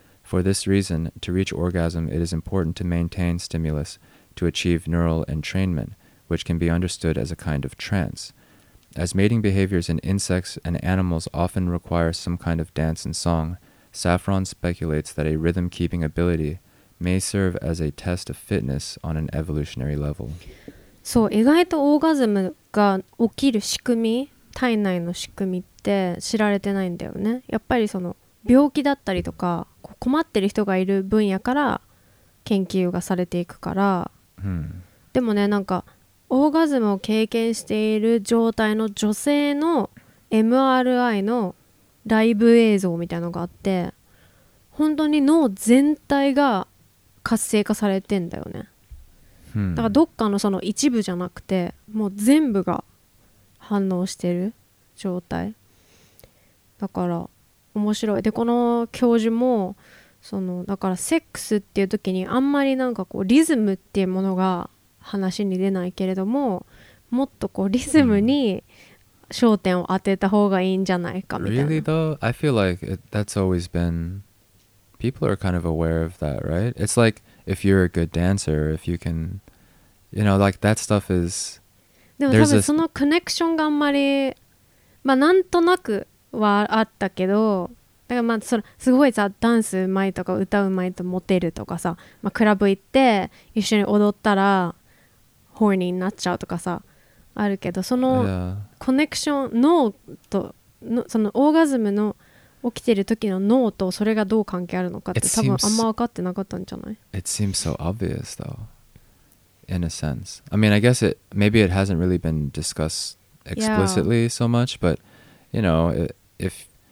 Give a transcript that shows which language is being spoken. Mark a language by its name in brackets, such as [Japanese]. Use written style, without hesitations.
[English] For this reason, to reach orgasm, it is important to maintain stimulus to achieve neural entrainment, which can be understood as a kind of trance. As mating behaviors in insects and animals often require some kind of dance and song, Saffron speculates that a rhythm-keeping ability may serve as a test of fitness on an evolutionary level. [Japanese] そう、意外とオーガズムが起きる仕組み、体内の仕組みって知られてないんだよね。やっぱりその病気だったりとか、困ってる人がいる分野から研究がされていくから。 Hmm. でもね、なんかオーガズムを経験している状態の女性の MRI のライブ映像みたいなのがあって、本当に脳全体が活性化されてんだよね。だからどっかのその一部じゃなくて、もう全部が反応してる状態だから面白い。でこの教授もそのだからセックスっていう時にあんまりなんかこうリズムっていうものが話に出ないけれども、もっとこうリズムに焦点を当てた方がいいんじゃないかみたいな。 [English] Really though? I feel like that's always been people are kind of aware of that, right? It's like if you're a good dancer, if you can, you know, like that stuff is [Japanese] でも多分そのコネクションがあんまり、まあなんとなくはあったけど、だからまあそれすごいさ、ダンスうまいとか歌うまいとモテるとかさ、まあクラブ行って一緒に踊ったらホーニーになっちゃうとかさあるけど、そのコネクション、脳とのそのオーガズムの起きてる時の脳とそれがどう関係あるのかって多分あんま分かってなかったんじゃない [English] ？It seems so obvious though, in a sense. I mean, I guess it, maybe it hasn't really been discussed explicitly so much, but you know, if